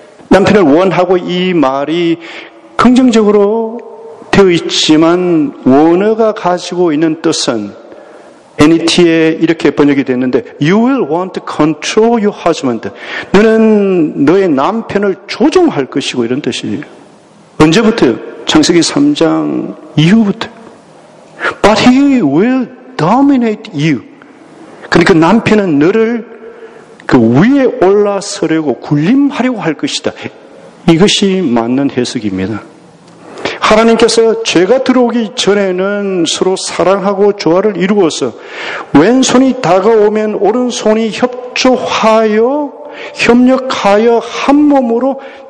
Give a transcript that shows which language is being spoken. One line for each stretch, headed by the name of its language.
Korean: 남편을 원하고, 이 말이 긍정적으로 되어 있지만 원어가 가지고 있는 뜻은 NET에 이렇게 번역이 됐는데
English: You will want to control your husband.
Korean: 너는 너의 남편을 조종할 것이고, 이런 뜻이에요. 언제부터요? 창세기 3장 이후부터.
English: But he will dominate you.
Korean: 그러니까 남편은 너를 그 위에 올라서려고 군림하려고 할 것이다. 이것이 맞는 해석입니다. 하나님께서 죄가 들어오기 전에는 서로 사랑하고 조화를 이루어서 왼손이 다가오면 오른손이 협조하여 협력하여 한 몸으로